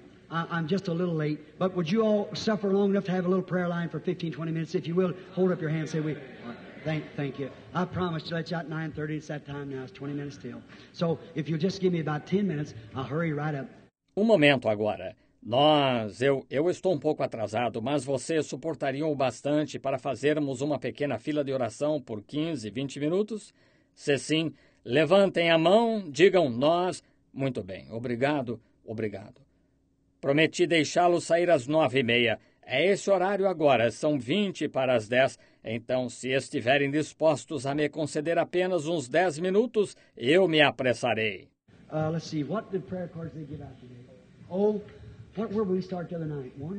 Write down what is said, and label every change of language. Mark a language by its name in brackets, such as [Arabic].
[English] I'm just a little late, but would you all suffer long enough to have a little prayer line for 15, 20 minutes? If you will, hold up your hand and say, thank you. I promised to let you out at 9:30. It's that time now. It's 20 minutes still. So if you'll just give me about 10 minutes, I'll hurry right up. [Portuguese] Um momento agora. Nós, eu estou um pouco atrasado, mas vocês suportariam o bastante para fazermos uma pequena fila de oração por 15, 20 minutos? Se sim, levantem a mão, digam nós. Muito bem. Obrigado. Prometi deixá-lo sair às 9:30. É esse horário agora, são 9:40. Então, se estiverem dispostos a me conceder apenas uns 10 minutos, eu me apressarei. [English] Let's see, what did prayer cards they give out today? Oh, what were we start the other night?